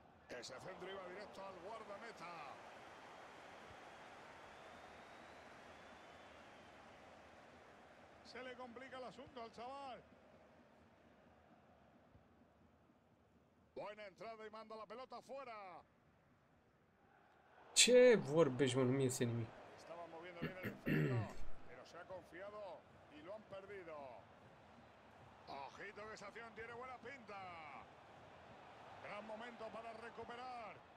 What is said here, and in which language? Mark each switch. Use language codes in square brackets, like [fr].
[es] Ese centro iba directo al guardameta. Se le complica el asunto al chaval. Buena entrada y manda la pelota afuera. [ro] Ce vorbești, mă, nu-mi iese nimic. [es] Estaba moviendo bien el centro, pero se ha confiado y lo han perdido. Ojito que esa acción tiene buena pinta. Gran momento para recuperar.